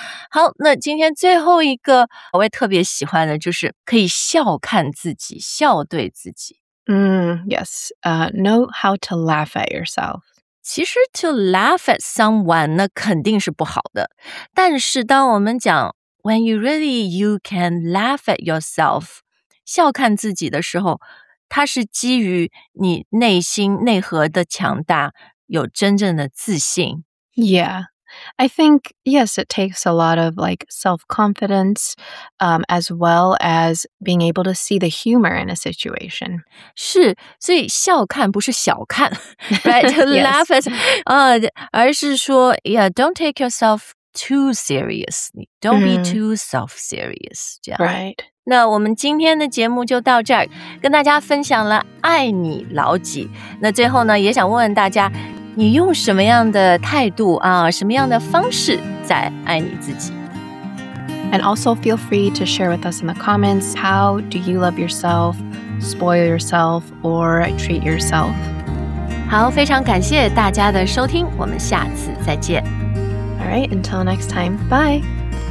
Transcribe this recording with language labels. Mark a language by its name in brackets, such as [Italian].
[Chinese] 好那今天最后一个我也特别喜欢的就是可以笑看自己笑对自己、 [English] Yes, know how to laugh at yourself [Chinese] 其实 [English] to laugh at someone [Chinese] 那肯定是不好的但是当我们讲 [English] when you really you can laugh at yourself [Chinese] 笑看自己的时候它是基于你内心内核的强大有真正的自信 [English] Yeah, I think yes it takes a lot of like self-confidence、as well as being able to see the humor in a situation [Chinese] 是所以笑看不是小看 [English] right to laugh at、 [Chinese] 而是说 [English] yeah don't take yourself too serious don't be too self-serious [Chinese] 这样 [English] right [Chinese] 那我们今天的节目就到这儿，跟大家分享了爱你老几。那最后呢，也想问问大家，你用什么样的态度啊，什么样的方式在爱你自己？ [English] And also feel free to share with us in the comments, how do you love yourself, spoil yourself, or treat yourself? [Chinese] 好，非常感谢大家的收听，我们下次再见。 [English] All right, until next time, bye!